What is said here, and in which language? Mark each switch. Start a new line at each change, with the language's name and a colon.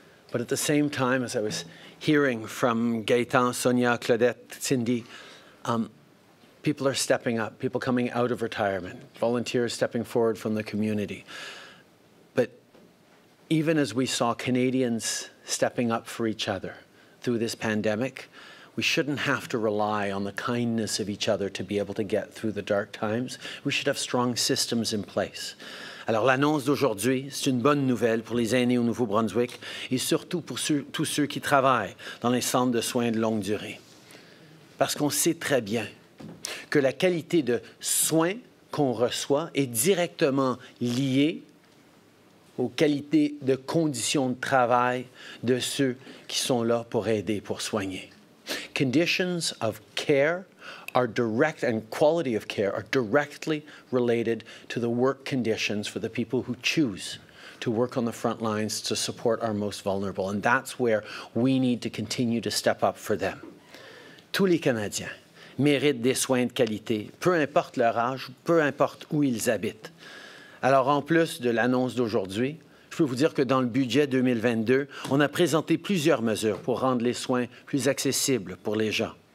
English: But at the same time, as I was hearing from Gaetan, Sonia, Claudette, Cindy, people are stepping up, people coming out of retirement, volunteers stepping forward from the community. But even as we saw Canadians stepping up for each other through this pandemic, we shouldn't have to rely on the kindness of each other to be able to get through the dark times. We should have strong systems in place.
French: Alors, l'annonce d'aujourd'hui, c'est une bonne nouvelle pour les aînés au Nouveau-Brunswick et surtout pour tous ceux qui travaillent dans les centres de soins de longue durée. Parce qu'on sait très bien que la qualité de soins qu'on reçoit est directement liée aux qualités de conditions de travail de ceux qui sont là pour aider, pour soigner.
English: Conditions of care are direct and quality of care are directly related to the work conditions for the people who choose to work on the front lines to support our most vulnerable. And that's where we need to continue to step up for them.
French: Tous les Canadiens méritent des soins de qualité, peu importe leur âge, peu importe où ils habitent. Alors, en plus de l'annonce d'aujourd'hui, je peux vous dire que dans le budget 2022, on a présenté plusieurs mesures pour rendre les soins plus accessibles pour les gens.